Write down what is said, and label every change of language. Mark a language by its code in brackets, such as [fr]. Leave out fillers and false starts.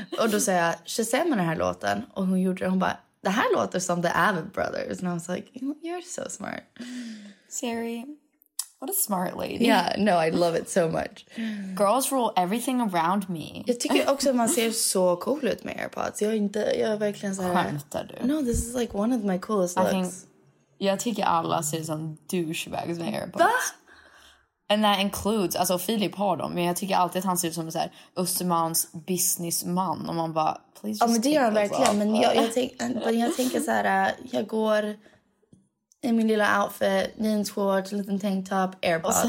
[sv] Och då säger jag, Shazam med den här låten. Och hon gjorde det. Hon bara, det här låter som The Avid Brothers. [en] And I was like, you're so smart. Siri, what a smart lady. Yeah, no, I love it so much. Girls rule everything around me. [sv] Jag tycker också att man ser så cool ut med AirPods. Jag är verkligen så här... Skämtar du? [en] No, this is like one of my coolest looks. [sv] Jag tycker alla ser som douchebags med AirPods. Va? [en] And that includes, [sv] alltså Filip har dem, men jag tycker alltid att han ser ut som en sån här Östermalms businessman. Och man bara, [en] please just take those off. [sv] Ja, men det gör han verkligen. Men jag tänker så här, jag går i min lilla outfit, jeans, shorts, liten tank top, AirPods.